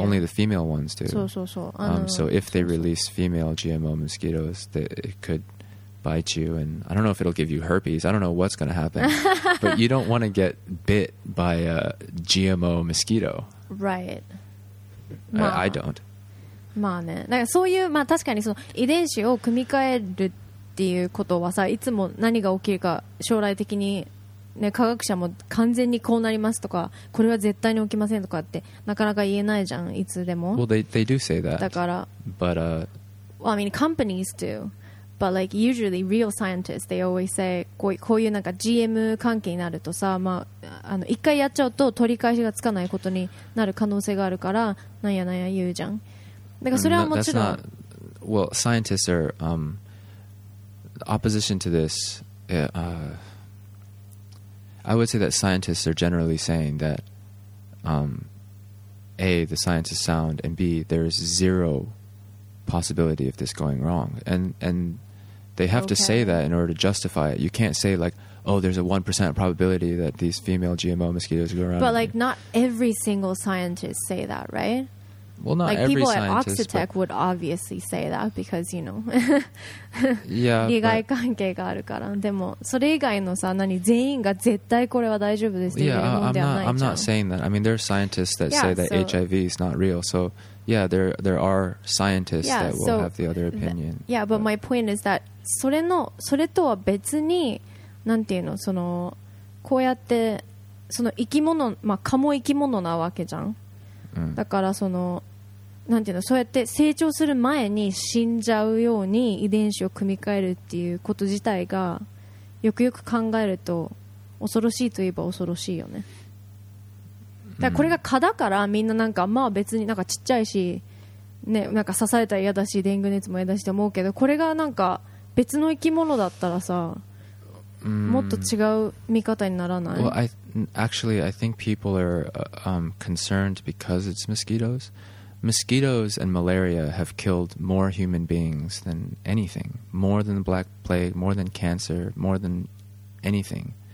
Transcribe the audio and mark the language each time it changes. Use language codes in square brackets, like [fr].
[en] only the female ones do. So. So if they release female GMO mosquitoes, it could bite you, and I don't know if it'll give you herpes. I don't know what's going to happen. But you don't want to get bit by a GMO mosquito. Right. まあ、I don't. [ja] まあね、だからそういう、まあ、確かにその遺伝子を組み換えるっていうことはさ、いつも何が起きるか将来的に、ね、科学者も完全にこうなりますとか、これは絶対に起きませんとかってなかなか言えないじゃん、いつでも。 [en] Well, they do say that. [ja] だから、 [en] But, well, I mean, companies do. But like, usually real scientists, they always say, [ja] こういうなんか GM 関係になるとさ、まあ、あの一回やっちゃうと取り返しがつかないことになる可能性があるから、なんやなんや言うじゃん。だからそれはもちろん。 [en] Not, well, scientists are, opposition to this, I would say that scientists are generally saying that, A, the science is sound, and B, there is zero possibility of this going wrong. And they have okay. to say that in order to justify it. You can't say like, oh, there's a 1% probability that these female GMO mosquitoes go around. But like, not every single scientist say that, right? Well, not like every people scientist. People at Oxitec would obviously say that because, you know. yeah. [ja] 利害関係があるから。でもそれ以外のさ、何全員が絶対これは大丈夫ですっていうものではないじゃん。 [en] I'm not saying that. I mean, there are scientists that yeah, say that HIV is not real. So yeah, there are scientists yeah, that will have the other opinion. But my point is that [ja] それとは別に、なんていうの、そのこうやってその生き物、まあ、蚊も生き物なわけじゃん、うん、だからそのなんていうの、そうやって成長する前に死んじゃうように遺伝子を組み換えるっていうこと自体がよくよく考えると恐ろしいといえば恐ろしいよね。だからこれが蚊だからみんななんか、まあ別になんかちっちゃいし、ね、なんか刺されたら嫌だしデング熱も嫌だしと思うけど、これがなんか別の生き物だったらさ、もっと違う見方にならない？ [en] Well, actually, I think people are concerned because it's mosquitoes. Mosquitoes and malaria have killed more human beings than anything. More than the Black Plague, more than cancer, more than anything.